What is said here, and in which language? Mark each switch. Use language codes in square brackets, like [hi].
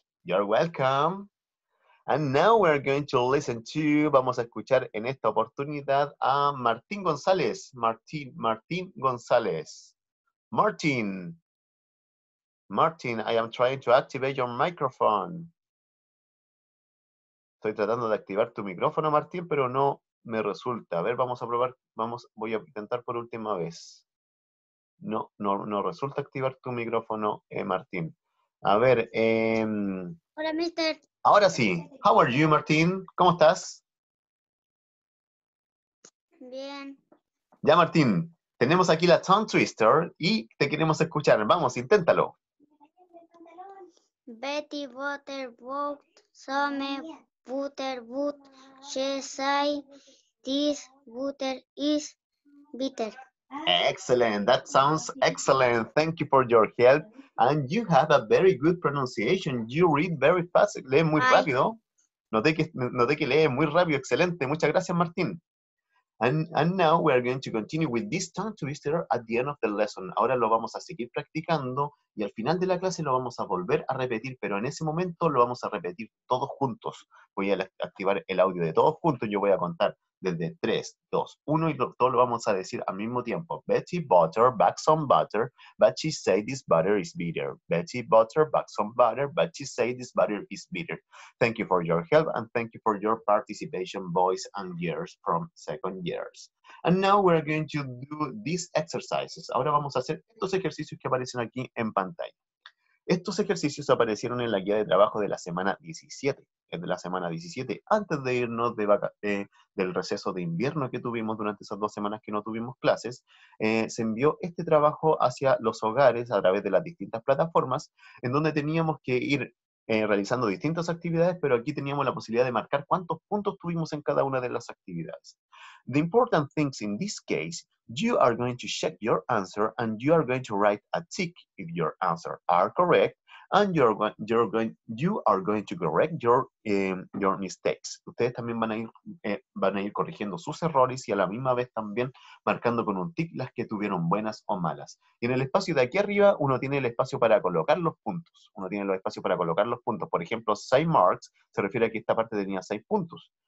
[en] You're welcome. And now we're going to listen to, [es] vamos a escuchar en esta oportunidad a Martín González. [en] Martín González. Martín, I am trying to activate your microphone. [es] Estoy tratando de activar tu micrófono, Martín, pero no me resulta. A ver, vamos a probar. Voy a intentar por última vez. No resulta activar tu micrófono, Martín. A ver. Hola, mister. Ahora sí. [en] How are you, Martín? [es] ¿Cómo estás? Bien. Ya, Martín. Tenemos aquí la tongue twister y te queremos escuchar. Vamos, inténtalo. [en] Betty Butter Book, Some Butter Boot, She Say, This Butter Is Bitter. Excellent, that sounds excellent. Thank you for your help. And you have a very good pronunciation. You read very fast. [es] Lee muy rápido. Noté que lee muy rápido. Excelente. Muchas gracias, Martín. [en] And now we are going to continue with this tongue twister at the end of the lesson. [es] Ahora lo vamos a seguir practicando y al final de la clase lo vamos a volver a repetir, pero en ese momento lo vamos a repetir todos juntos. Voy a activar el audio de todos juntos. Yo voy a contar desde 3, 2, 1 y todo lo vamos a decir al mismo tiempo. [en] Betty Butter, back some butter, but she say this butter is bitter. Betty Butter, back some butter, but she say this butter is bitter. Thank you for your help and thank you for your participation, boys and girls from second years. And now we're going to do these exercises. [es] Ahora vamos a hacer estos ejercicios que aparecen aquí en pantalla. Estos ejercicios aparecieron en la guía de trabajo de la semana 17. Es de la semana 17, antes de irnos del receso de invierno que tuvimos durante esas dos semanas que no tuvimos clases, se envió este trabajo hacia los hogares a través de las distintas plataformas, en donde teníamos que ir realizando distintas actividades, pero aquí teníamos la posibilidad de marcar cuántos puntos tuvimos en cada una de las actividades. [en] The important things in this case, you are going to check your answer and you are going to write a tick if your answer are correct and you are going to correct your mistakes. [es] Ustedes también van a ir corrigiendo sus errores y a la misma vez también marcando con un tick las que tuvieron buenas o malas. Y en el espacio de aquí arriba, uno tiene el espacio para colocar los puntos. Por ejemplo, 6 marks se refiere a que esta parte tenía 6 puntos.